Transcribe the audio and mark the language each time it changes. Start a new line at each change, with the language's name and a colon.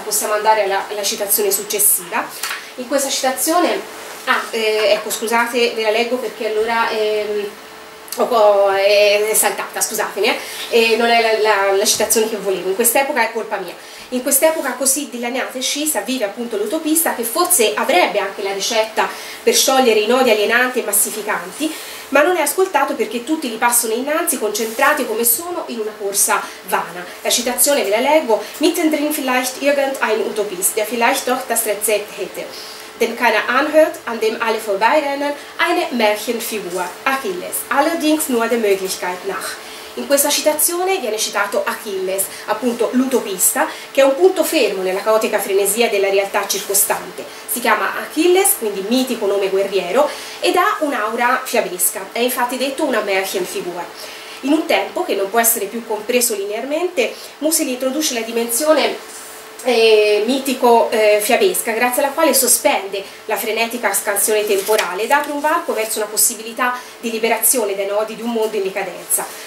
Italian: Possiamo andare alla citazione successiva. In questa citazione, ve la leggo perché allora è saltata, scusatemi, non è la citazione che volevo. In quest'epoca è colpa mia. In quest'epoca così dilaniata e scissa vive appunto l'utopista, che forse avrebbe anche la ricetta per sciogliere i nodi alienanti e massificanti, ma non è ascoltato perché tutti li passano innanzi, concentrati come sono in una corsa vana. La citazione ve la leggo:
German: mittendrin vielleicht irgendein Utopist, der vielleicht doch das Rezept hätte, den keiner anhört, an dem alle vorbeirennen, eine Märchenfigur, Achilles, allerdings nur der Möglichkeit nach.
Italian: In questa citazione viene citato Achilles, appunto l'utopista, che è un punto fermo nella caotica frenesia della realtà circostante. Si chiama Achilles, quindi mitico nome guerriero, ed ha un'aura fiabesca, è infatti detto una Märchenfigur. In un tempo che non può essere più compreso linearmente, Musil introduce la dimensione mitico-fiabesca, grazie alla quale sospende la frenetica scansione temporale ed apre un varco verso una possibilità di liberazione dai nodi di un mondo in decadenza.